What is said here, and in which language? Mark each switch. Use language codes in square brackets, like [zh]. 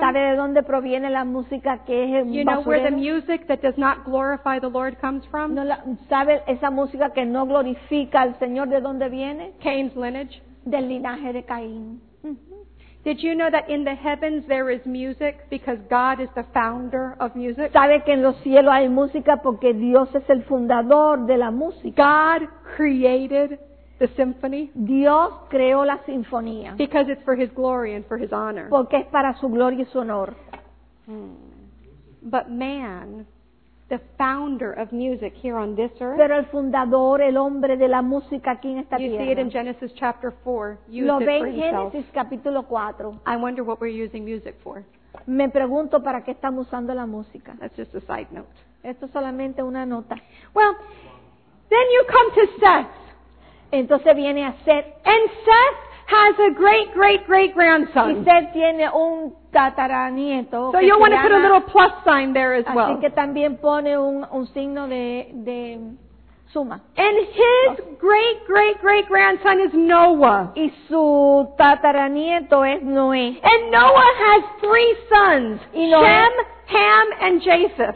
[es] ¿Sabe de dónde proviene la música que es basura? [en] You know where the music that does not glorify the Lord comes from? [es] No, ¿sabe esa música que no glorifica al Señor de dónde viene? [en] Cain's lineage. [es] Del linaje de Caín. [en] Did you know that in the heavens there is music because God is the founder of music? [es] ¿Sabe que en los cielos hay música porque Dios es el fundador de la música? [en] God created the symphony. [es] Dios creó la sinfonía. [en] Because it's for His glory and for His honor. [es] Porque es para su gloria y su honor. [en] But man, the founder of music here on this earth. [es] Pero el fundador, el hombre de la música aquí en esta [en] you [es] tierra. [en] You see it in Genesis chapter 4. Used [es] lo ve [en] it for [es] en [en] himself. [es] Génesis capítulo 4. [en] I wonder what we're using music for. [es] Me pregunto para qué estamos usando la música. [en] That's just a side note. [es] Esto es solamente una nota. [en] Well, then you come to Seth. [es] Entonces viene a Seth. [en] And Seth has a great, great, great grandson. [es] Y Seth tiene un tataranieto. [en] So you want to put a little plus sign there as well. [es] Así que también pone un signo de suma. [en] And his great, great, great grandson is Noah. [es] Y su tataranieto es Noé. [en] And Noah has three sons: Shem, Ham, and Japheth.